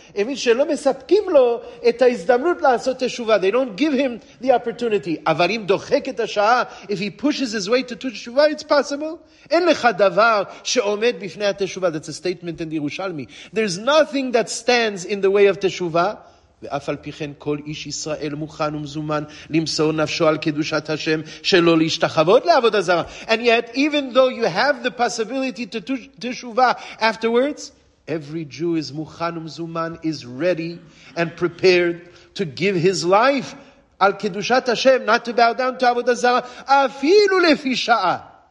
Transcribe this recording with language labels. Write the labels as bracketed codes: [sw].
[en] It means [he] shelo mesapkim lo et ha'izdamrut la'asot teshuvah. [en] They don't give him the opportunity. [he] Avarim dochek et ha'sha'a. [en] If he pushes his way to do teshuvah, it's possible. [he] En lecha davar she'omed bifnei ha'teshuvah. [en] That's a statement in the Yerushalmi. There's nothing that stands in the way of teshuvah. [he] ואף על פי כן כל איש ישראל מוכן ומזומן למסור נפשו על קדושת השם שלא להשתחוות לעבודה זרה. [en] And yet, even though you have the possibility to do teshuva afterwards, every Jew is mukhan umzuman, is ready and prepared to give his life al kedushat Hashem, not to bow down to avodah zarah, [he] afilu lefi sha'a.